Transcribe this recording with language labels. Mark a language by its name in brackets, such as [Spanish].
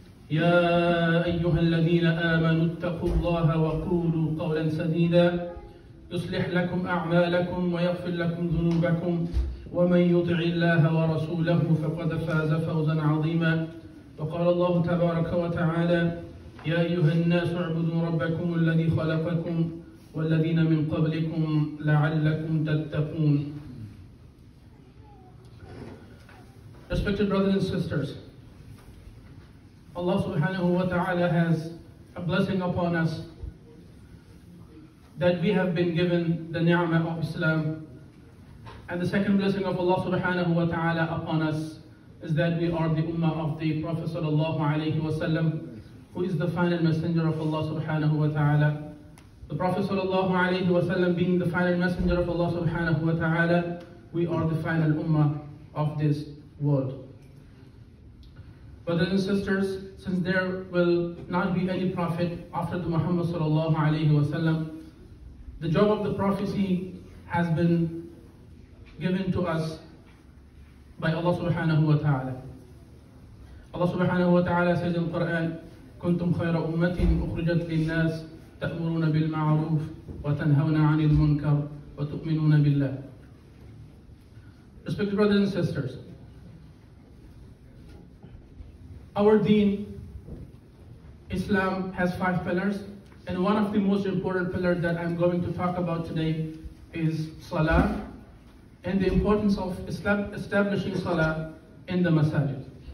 [Arabic] يا أيها الذين آمنوا اتقوا الله وقولوا قولا سديدا، يصلح لكم أعمالكم ويغفر لكم ذنوبكم، ومن يطع الله ورسوله فقد فاز فوزا عظيما. وقال الله تبارك وتعالى: يا أيها الناس اعبدوا ربكم الذي خلقكم والذين من قبلكم لعلكم تتقون. [English] Respected brothers and sisters, Allah subhanahu wa ta'ala has a blessing upon us that we have been given the ni'mah of Islam. And the second blessing of Allah subhanahu wa ta'ala upon us is that we are the ummah of the Prophet sallallahu alayhi wa sallam, who is the final messenger of Allah subhanahu wa ta'ala. The Prophet sallallahu alayhi wa sallam being the final messenger of Allah subhanahu wa ta'ala, we are the final ummah of this world. Brothers and sisters, since there will not be any prophet after the Muhammad sallallahu alayhi wa sallam, the job of the prophecy has been given to us by Allah subhanahu wa ta'ala. Allah subhanahu wa ta'ala says in the Quran, [Arabic] كنتم خير أمة أخرجت للناس تأمرون بالمعروف وتنهون عن المنكر وتؤمنون بالله. [English] Respected brothers and sisters, our deen, Islam, has five pillars, and one of the most important pillars that I'm going to talk about today is Salah and the importance of Islam establishing Salah in the Masajid.